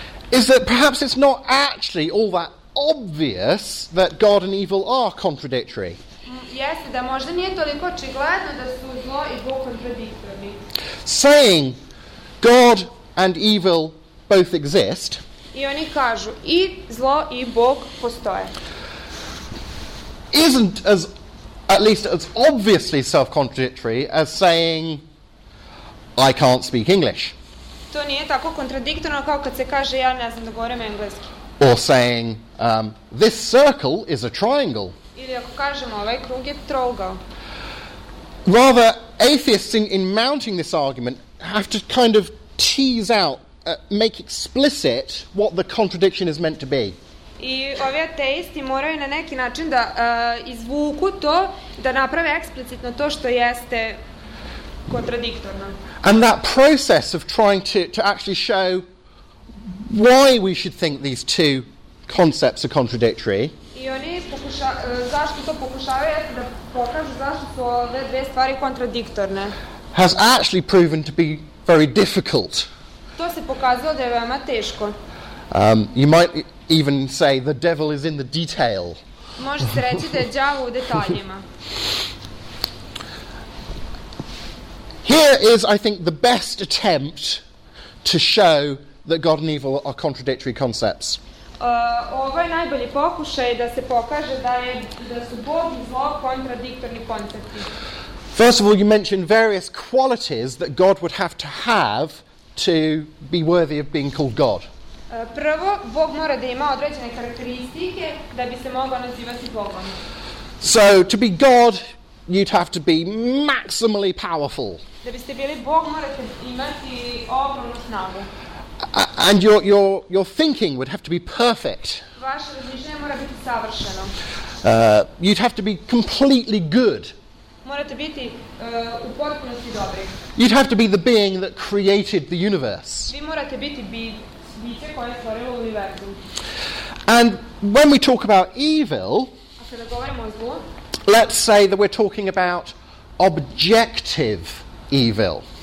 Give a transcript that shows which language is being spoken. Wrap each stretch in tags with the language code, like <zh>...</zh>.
<en>is that perhaps it's not actually all that obvious that God and evil are contradictory.</en> <sr>Jeste, da možda nije toliko očigledno da su zlo I Bog kontradiktorni.</sr> <en>Saying God and evil both exist.</en> <sr>I oni kažu I zlo I Bog postoje.</sr> <en>Isn't as at least as obviously self-contradictory as saying I can't speak English.</en> <sr>To nije tako kontradiktorno kao kad se kaže ja ne znam da govorim engleski.</sr> <en>Or saying this circle is a triangle.</en> <sr>Ili ako kažemo, ovaj krug je trougao.</sr> <en>Rather, atheists in mounting this argument have to kind of tease out, make explicit what the contradiction is meant to be.</en> <sr>I ovi ateisti moraju na neki način da izvuku to, da naprave eksplicitno to što jeste kontradiktorno.</sr> <en>And that process of trying to actually show why we should think these two concepts are contradictory.</en> <sr>I oni zašto to pokušavaju da pokažu zašto su ove dve stvari kontradiktorne.</sr> <en>Has actually proven to be very difficult.</en> <sr>To se pokazalo da je veoma teško.</sr> <en>You might even say the devil is in the detail.</en> <sr>Može se reći da je đavo u detaljima.</sr> <en>Here is, I think, the best attempt to show that God and evil are contradictory concepts.</en> <sr>Ovo je najbolji pokušaj da se pokaže da su Bog I zlo kontradiktorni koncepti.</sr> <en>First of all, you mentioned various qualities that God would have to be worthy of being called God.</en> <sr>Prvo, Bog mora da ima određene karakteristike da bi se mogao nazivati Bogom.</sr> <en>So, to be God, you'd have to be maximally powerful.</en> <sr>Da biste bili Bog, morate imati ogromnu snagu.</sr> <en>And your thinking would have to be perfect.</en> <sr>Vaše razmišljanje mora biti savršeno.</sr> <en>You'd have to be completely good.</en> <sr>Morate biti u potpunosti dobri.</sr> <en>You'd have to be the being that created the universe.</en> <sr>Vi morate biti biće koje je stvorilo univerzum.</sr> <en>And when we talk about evil,</en> <sr>kada govorimo o zlu,</sr> <en>let's say that we're talking about objective evil.</en>